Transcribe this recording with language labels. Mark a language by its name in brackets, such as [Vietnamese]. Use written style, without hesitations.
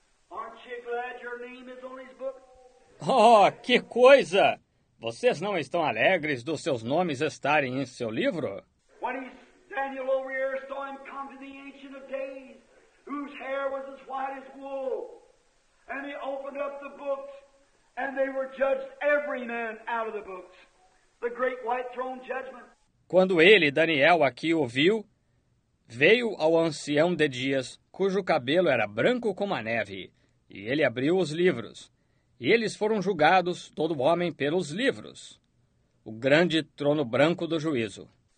[English] Aren't you glad your name is on his book? [Portuguese] Oh, que coisa! Vocês não estão alegres dos seus nomes estarem em seu livro? [English] Daniel over here saw him come to the Ancient of Days, whose hair was as white as wool. And he opened up the books, and they were judged every man out of the books. The great white throne judgment. [Portuguese] Quando ele, Daniel, aqui o viu, veio ao ancião de dias, cujo cabelo era branco como a neve, e ele abriu os livros. E eles foram julgados, todo homem, pelos livros. O grande trono branco do juízo.